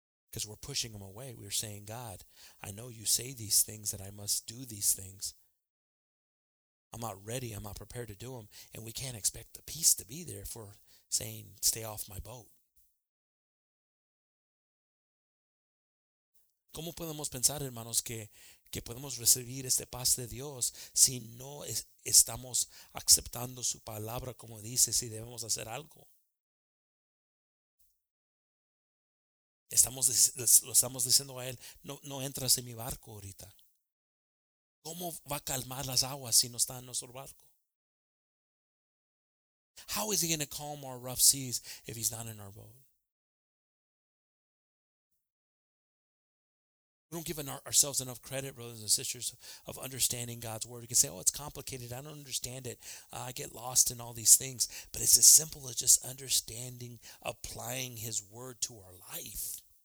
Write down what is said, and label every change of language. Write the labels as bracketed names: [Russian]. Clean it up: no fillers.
[English] Because we're pushing them away. We're saying, God, I know you say these things that I must do these things. I'm not ready. I'm not prepared to do them. And we can't expect the peace to be there if we're saying, stay off my boat. [Spanish] ¿Cómo podemos pensar, hermanos, que podemos recibir este paz de Dios si no estamos aceptando su palabra, como dice, si debemos hacer algo? Lo estamos diciendo a él, no entras en mi barco ahorita. ¿Cómo va a calmar las aguas si no está en nuestro barco? [English] How is he going to calm our rough seas if he's not in our boat? We don't give ourselves enough credit, brothers and sisters, of understanding God's word. We can say, oh, it's complicated. I don't understand it. I get lost in all these things. But it's as simple as just understanding, applying his word to our life.